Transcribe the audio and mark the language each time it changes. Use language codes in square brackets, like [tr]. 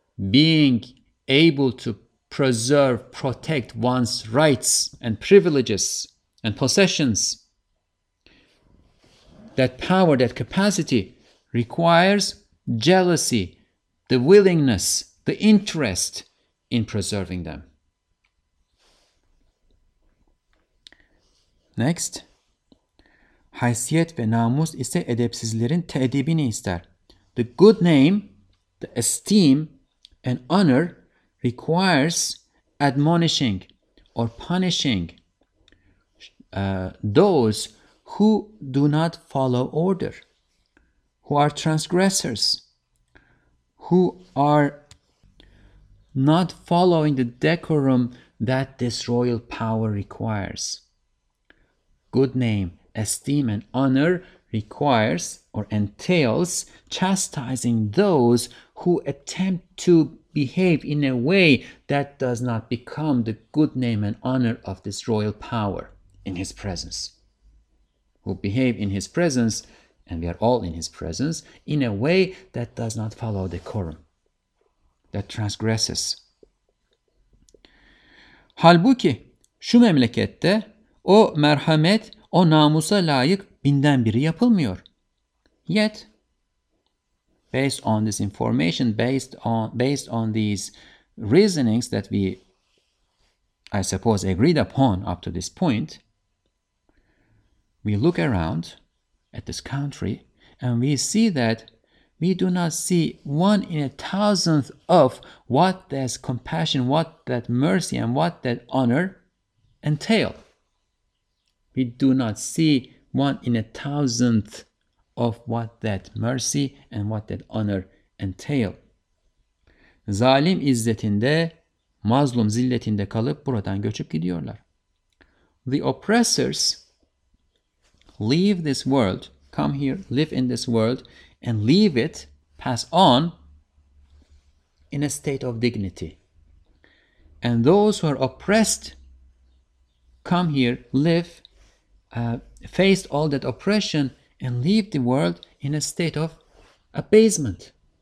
[en] Being able to preserve, protect one's rights and privileges and possessions, that power, that capacity requires jealousy, the willingness, the interest in preserving them. Next, [tr] haysiyet ve namus ise edepsizlerin te'edibini ister. [en] The good name, the esteem and honor requires admonishing or punishing those who do not follow order, who are transgressors, who are not following the decorum that this royal power requires. Good name, esteem, and honor requires or entails chastising those who attempt to behave in a way that does not become the good name and honor of this royal power in his presence. Who behave in his presence, and we are all in his presence, in a way that does not follow the decorum, that transgresses. [tr] Halbuki şu memlekette o merhamet, o namusa layık binden biri yapılmıyor. [en] Yet, based on this information, based on these reasonings that we, I suppose, agreed upon up to this point, we look around at this country and we see that we do not see one in a thousandth of what that compassion, what that mercy, and what that honor entail. We do not see one in a thousandth of what that mercy and what that honor entail. [tr] Zalim izzetinde, mazlum zilletinde kalıp buradan göçüp gidiyorlar. [en] The oppressors leave this world, come here, live in this world, and leave it, pass on, in a state of dignity. And those who are oppressed come here, live, face all that oppression, and leave the world in a state of abasement.